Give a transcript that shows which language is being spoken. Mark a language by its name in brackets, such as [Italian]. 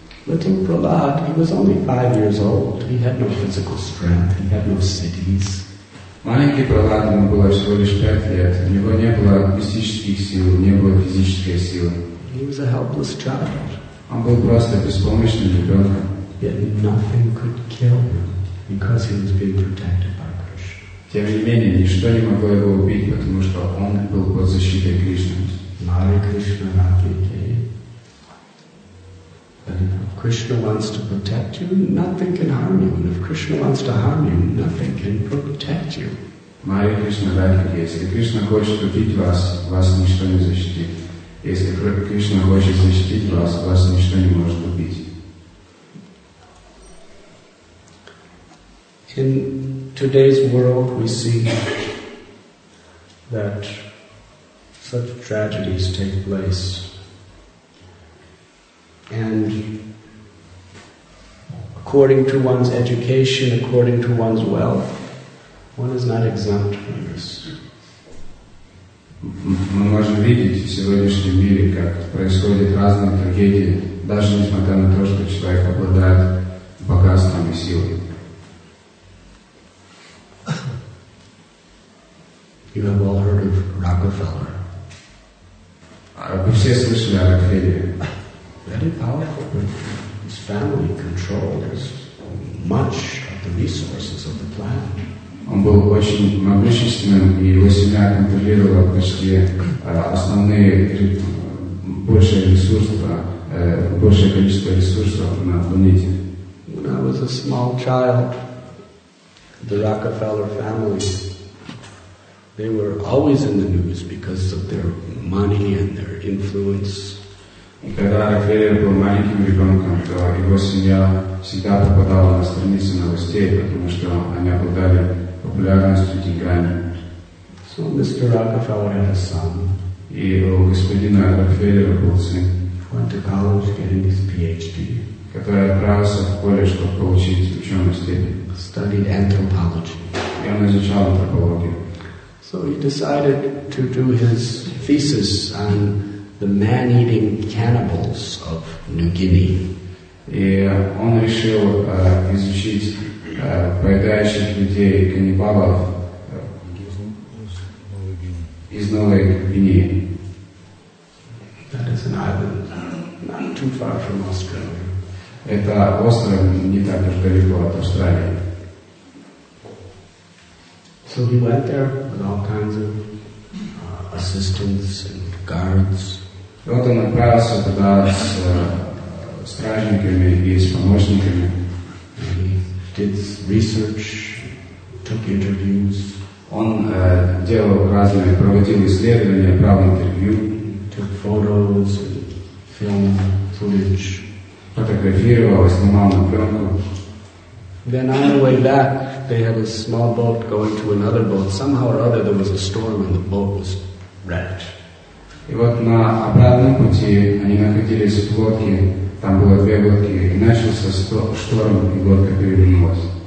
[English] Little Prahlad, he was only 5 years old. He had no physical strength. He had no cities. [Russian] Маленький Прохлад, ему было всего лишь 5 лет. У него не было мистических сил, не было физической силы. [English] He was a helpless child. [Russian] Он был просто беспомощным ребенком. [English] Yet nothing could kill him because he was being protected by Krishna. [Russian] Тем не менее, ничто не могло его убить, потому что он был под защитой Кришны. [Sanskrit] Hare Krishna, Hare Krishna. [English] If Krishna wants to protect you, nothing can harm you. And if Krishna wants to harm you, nothing can protect you. [Sanskrit] Hare Krishna, Hare Krishna. [English] If Krishna wants to protect you, [Russian] вас ничто не защитит. Если Кришна хочет защитить вас, вас ничто не может убить. [English] In today's world, we see that such tragedies take place. And according to one's education, according to one's wealth, one is not exempt from this. [Russian] Мы можем видеть в сегодняшнем мире, как происходят разные трагедии, даже несмотря на то, что человек обладает богатством и силой. [English] You have all heard of Rockefeller. [Russian] Вы все слышали о Рокфеллере. [English] Very powerful, but his family controls much of the resources of the planet. [Russian] Он был очень могущественным, и его семья контролировала почти основные большее количество ресурсов на планете. [English] When I was a small child, the Rockefeller family, they were always in the news because of their money and their influence. [Russian] И когда Рокфеллер был маленьким ребенком, то его семья всегда попадала на страницы новостей, потому что они обладали популярностью и деньгами. [English] So Mr. Rockefeller had a son. [Russian] И у господина Рокфеллера был сын. [English] Went to college, getting his PhD. [Russian] Который отправился в колледж, чтобы получить ученую степень. [English] Studied anthropology. [Russian] И он изучал антропологию. [English] So he decided to do his thesis on the man-eating cannibals of New Guinea. [Russian] И он решил изучить поедающих людей каннибалов из Новой Гвинеи. [English] That is an island not too far from Australia. [Russian] Это остров не так уж далеко от Австралии. [English] So he went there with all kinds of assistants and guards. [Russian] И вот он отправился туда с стражниками и с помощниками. [English] He did research, took interviews. [Russian] Он делал разные, проводил исследования, брал интервью. [English] Took photos, film footage. [Russian] Фотографировал, снимал на пленку. [English] Then on the way back, they had a small boat going to another boat. Somehow or other, there was a storm and the boat was wrecked. [Russian] И вот на обратном пути они находились в лодке, там было две лодки, и начался шторм, и лодка перевернулась.